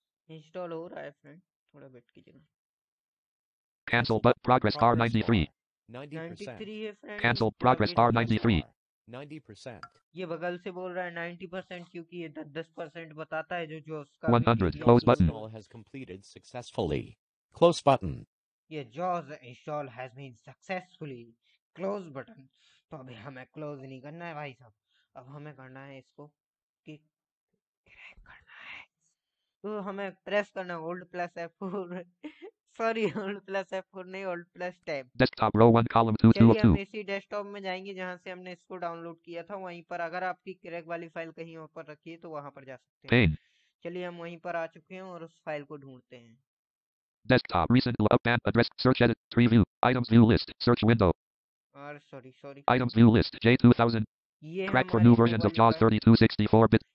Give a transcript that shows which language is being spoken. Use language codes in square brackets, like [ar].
[hi] Install हो रहा है फ्रेंड, थोड़ा वेट कीजिएगा। [en] Cancel but progress bar 93% Cancel progress bar 93% [hi] ये बगल से बोल रहा है 90% क्योंकि ये 10% बताता है जो जो उसका [en] 100 close button has completed successfully close button [hi] ये [en] jaws install has been successfully close button, [hi] तो अभी हमें क्लोज नहीं करना है भाई साहब, अब हमें करना है इसको कि क्रैक करना है, तो हमें प्रेस करना hold plus F4 sorry hold plus F4 नहीं होल्ड प्लस टैब [en] desktop row 1 column 2 2 [hi] 2 हम इसी डेस्कटॉप में जाएंगे जहां से हमने इसको डाउनलोड किया था, वहीं पर अगर आपकी क्रैक वाली फाइल कहीं ऊपर रखी है तो वहां पर जा सकते हैं, चलिए हम वहीं पर आ चुके हैं और उस फाइल को ढूंढते हैं। [en] desktop recent lookup and address search edit 3 view items view list search window [hi] और sorry sorry [en] Items view list J2000 Crack for new versions of JAWS 3264-bit.